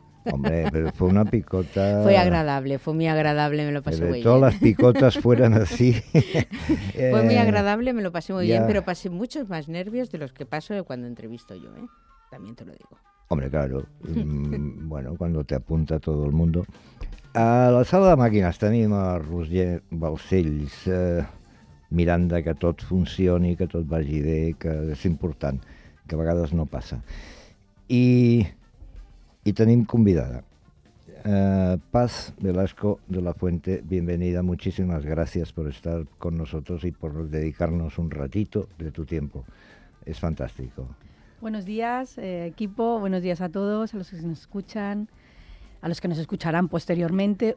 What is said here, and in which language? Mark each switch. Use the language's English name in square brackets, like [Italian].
[Spanish] Hombre, pero fue una picota... Fue agradable, fue muy agradable, me lo pasé muy bien. Todas las picotas fueran así... Fue muy agradable, me lo pasé muy bien, pero pasé muchos más nervios de los que paso cuando entrevisto yo, ¿eh? También te lo digo. Hombre, claro, bueno, cuando te apunta todo el mundo. [Catalan] A la sala de màquines tenim a Roger Balcells, mirant que tot funcioni, que tot vagi bé, que és important, que a vegades no passa. I tenim convidada. [Spanish] Paz Velasco de la Fuente, bienvenida, muchísimas gracias por estar con nosotros y por dedicarnos un ratito de tu tiempo. Es fantástico. Buenos días, equipo, buenos días a todos, a los que nos escuchan, a los que nos escucharán posteriormente.